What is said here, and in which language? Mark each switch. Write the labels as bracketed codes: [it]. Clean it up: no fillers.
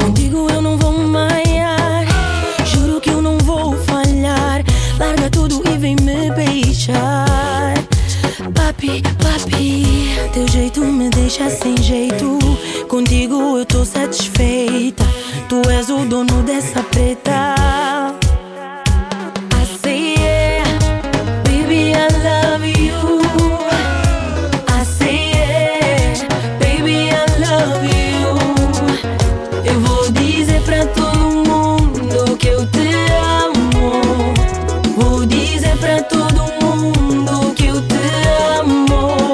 [pt] Contigo eu não vou maiar. Juro que eu não vou falhar. Larga tudo e vem me beijar. Papi, papi, teu jeito me deixa sem jeito. Contigo eu tô satisfeita. Tu és o dono dessa preta. [en] I say yeah, baby I love you. I say yeah, baby I love you. [pt] Eu vou dizer pra todo mundo que eu te amo. Vou dizer pra todo mundo que eu te amo.